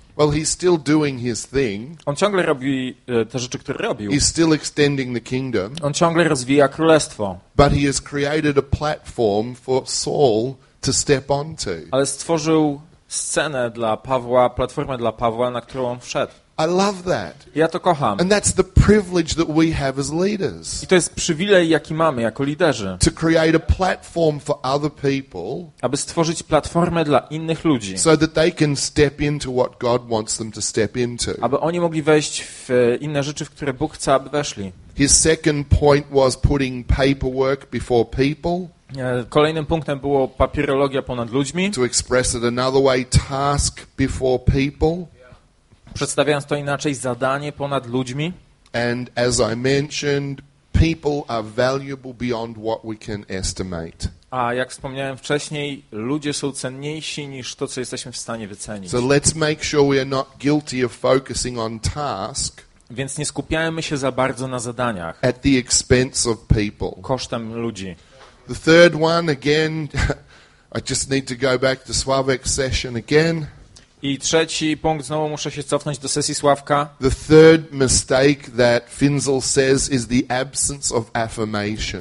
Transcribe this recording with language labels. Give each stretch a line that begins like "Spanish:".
English: Well, he's still doing his thing.
Polish: On ciągle robi te rzeczy, które robił.
English: He's still extending the kingdom.
Polish: On ciągle rozwija królestwo.
English: But he has created a platform for Saul to step onto.
Polish: Ale stworzył scenę dla Pawła, platformę dla Pawła, na którą on wszedł.
English: I love that.
Polish: Ja to kocham.
English: And that's the privilege that we have as leaders.
Polish: I to jest przywilej, jaki mamy jako liderzy.
English: To create a platform for other people.
Polish: Aby stworzyć platformę dla innych ludzi.
English: So that they can step into what God wants them to step into.
Polish: Aby oni mogli wejść w inne rzeczy, w które Bóg chce, aby weszli.
English: His second point was putting paperwork before people.
Polish: Kolejnym punktem było papierologia ponad ludźmi.
English: To express it another way, task before people.
Polish: Przedstawiając to inaczej, zadanie ponad ludźmi.
English: And as I mentioned, people are valuable beyond what we can estimate.
Polish: A jak wspomniałem wcześniej, ludzie są cenniejsi niż to, co jesteśmy w stanie wycenić.
English: So let's make sure we are not guilty of focusing on task.
Polish: Więc nie skupiajmy się za bardzo na zadaniach.
English: At the expense of people.
Polish: Kosztem ludzi.
English: The third one again, I just need to go back to Sławek's session again.
Polish: I trzeci punkt, znowu muszę się cofnąć do sesji Sławka.
English: The third mistake that Finzel says is the absence of affirmation.